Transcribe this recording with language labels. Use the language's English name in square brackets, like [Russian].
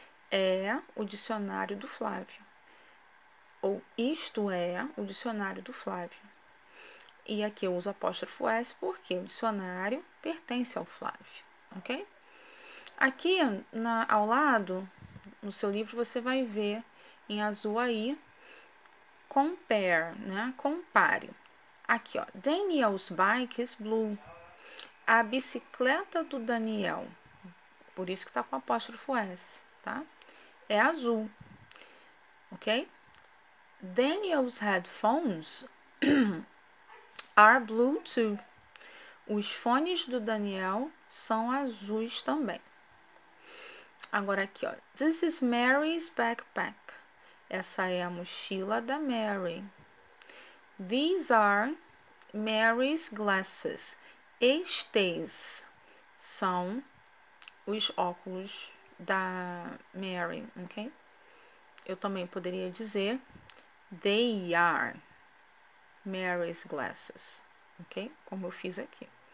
[Portuguese] É o dicionário do Flávio. Ou isto é o dicionário do Flávio. E aqui eu uso apóstrofo S porque o dicionário pertence ao Flávio, ok? Aqui ao lado, no seu livro, você vai ver em azul aí, compare, né? Compare. Aqui, ó, [English] Daniel's bike is blue. [Portuguese] A bicicleta do Daniel, por isso que tá com apóstrofo S, tá? É azul, ok? [English] Daniel's headphones are blue too. [Portuguese] Os fones do Daniel são azuis também. Agora aqui, ó. [English] This is Mary's backpack. [Portuguese] Essa é a mochila da Mary. [English] These are Mary's glasses. [Portuguese] Estes são os óculos da Mary, ok? Eu também poderia dizer [English] they are Mary's glasses, [Portuguese] ok? Como eu fiz aqui.